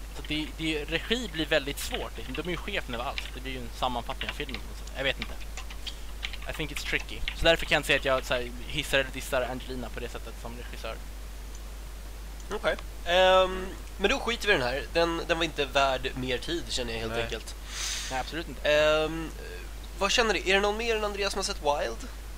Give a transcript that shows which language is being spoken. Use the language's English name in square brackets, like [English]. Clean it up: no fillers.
[Swedish] Så det regi blir väldigt svårt liksom. De är ju chefen över allt. Det blir ju en sammanfattning av filmen så. Jag vet inte, [English] I think it's tricky. [Swedish] Så därför kan jag säga att jag så här, hissar eller dissar Angelina på det sättet som regissör. Okej. Men då skiter vi den här. Den var inte värd mer tid, känner jag helt enkelt. Nej, absolut inte. Vad känner du? Är det någon mer än Andreas som har sett Wild?